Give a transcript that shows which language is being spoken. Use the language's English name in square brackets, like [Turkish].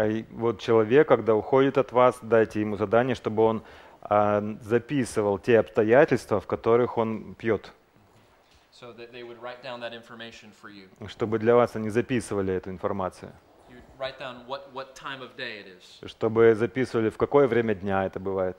[Russian] Вот человек, когда уходит от вас, дайте ему задание, чтобы он записывал те обстоятельства, в которых он пьет. [English] So that they would write down that information for you. [Russian] Чтобы для вас они записывали эту информацию. [English] You write down what time of day it is. [Russian] Чтобы записывали, в какое время дня это бывает.